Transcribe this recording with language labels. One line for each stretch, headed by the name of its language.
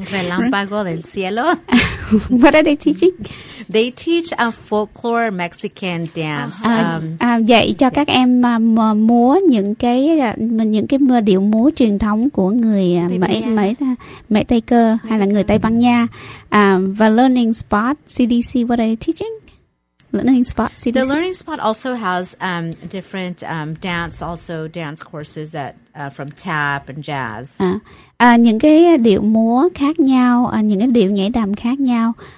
Spanish: Relámpago del cielo.
English: What are they teaching? They teach a folklore Mexican dance.
Vietnamese: Dạy cho các em múa những cái điệu múa truyền thống của người Mỹ Tây Cơ hay là người Tây Ban Nha.
English: Và Learning Spot CDC, what are they teaching? Learning Spot CDC. The Learning Spot also has different dance courses that from tap and jazz.
Vietnamese: Những cái điệu múa khác nhau, những cái điệu nhảy đầm khác nhau.